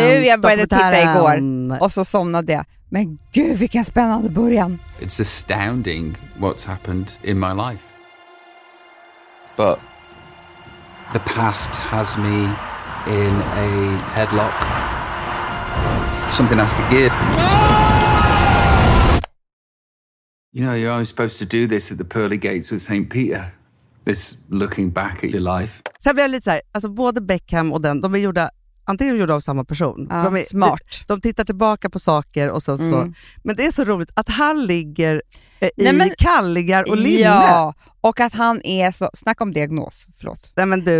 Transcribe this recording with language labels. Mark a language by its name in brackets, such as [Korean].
[Swedish] Du, jag började titta igår och så somnade jag. Men gud, vilken spännande början. [English] It's astounding what's happened in my life. But the past has me in a headlock. Something has to give. You know, you're only supposed to do this at the pearly gates with St. Peter. This looking back at your life. [Swedish] Sen blir jag lite så här, alltså både Beckham och den, de är gjorda, antingen gjorda av samma person. Ja, de är smart. De tittar tillbaka på saker och sen så. Men det är så roligt att han ligger i, nej, men, kalligar och linne. Ja, och att han är så, snacka om diagnos, förlåt. Nej, men du.